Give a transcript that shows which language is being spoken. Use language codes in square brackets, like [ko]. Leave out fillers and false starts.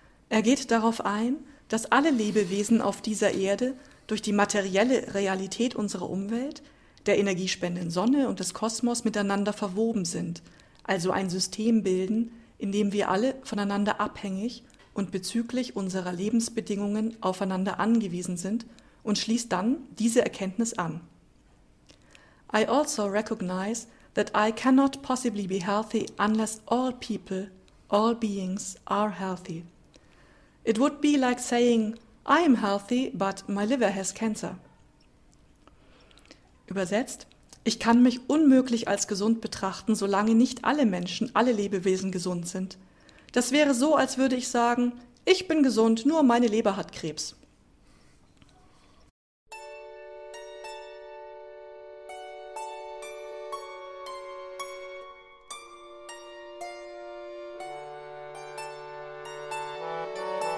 [de] Er geht darauf ein, dass alle Lebewesen auf dieser Erde durch die materielle Realität unserer Umwelt, der energiespendenden Sonne und des Kosmos miteinander verwoben sind, also ein System bilden, in dem wir alle voneinander abhängig und bezüglich unserer Lebensbedingungen aufeinander angewiesen sind, und schließt dann diese Erkenntnis an. [en] I also recognize that I cannot possibly be healthy unless all people, all beings are healthy. It would be like saying, I am healthy, but my liver has cancer. [de] Übersetzt, ich kann mich unmöglich als gesund betrachten, solange nicht alle Menschen, alle Lebewesen gesund sind. Das wäre so, als würde ich sagen, ich bin gesund, nur meine Leber hat Krebs. [en] Thank you.